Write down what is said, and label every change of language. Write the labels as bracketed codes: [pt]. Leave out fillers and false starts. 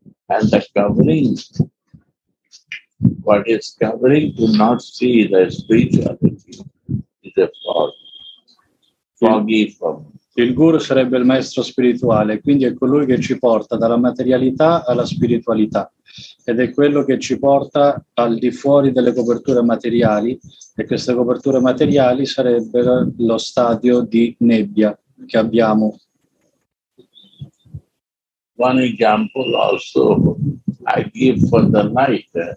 [en] And the covering, what is covering to not see the spirituality is a fog. Foggy fog. [it] Il guru sarebbe il maestro spirituale, quindi è colui che ci porta dalla materialità alla spiritualità. Ed è quello che ci porta al di fuori delle coperture materiali, e queste coperture materiali sarebbero lo stadio di nebbia che abbiamo. [en] One example also I give for the light.